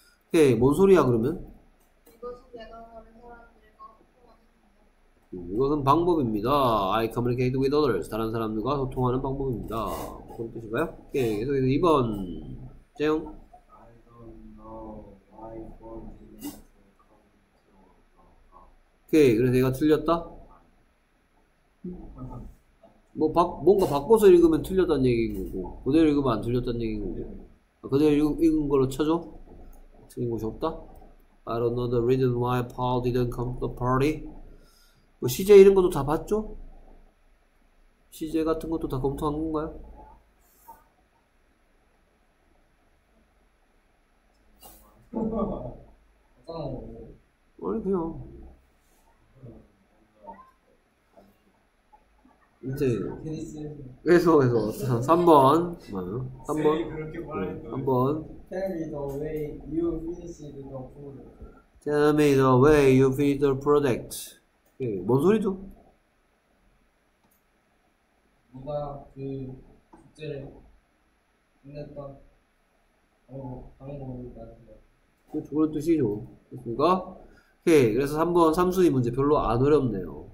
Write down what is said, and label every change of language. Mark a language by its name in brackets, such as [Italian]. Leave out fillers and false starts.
[Korean] 오케이, 뭔 소리야 그러면? 이것은 내가 다른 사람들과 소통하는 방법. 이것은 방법입니다. [English] I communicate with others. [Korean] 다른 사람들과 소통하는 방법입니다. 그런 뜻인가요? 오케이, 계속해서 2번. 재용. [English] I don't know why one human can come to another. [Korean] 오케이, 그래서 얘가 틀렸다? 뭐, 뭔가 바꿔서 읽으면 틀렸단 얘기인 거고, 그대로 읽으면 안 틀렸단 얘기인 거고, 아, 그대로 읽은 걸로 쳐줘? 틀린 곳이 없다? [English] I don't know the reason why Paul didn't come to the party. [Korean] 뭐, CJ 이런 것도 다 봤죠? CJ 같은 것도 다 검토한 건가요? 아니, 그냥. 이제 계속해서 3번 맞아요. 3번 3번 [English] Tell me the way you finished the project. Tell me the way you finished the project. [Korean] 뭔 소리죠? 누가 그 숙제를 끝냈던 방법을 말씀해. 그 좋은 뜻이죠. 누가? 오케이. 그래서 3번 삼수의 문제 별로 안 어렵네요.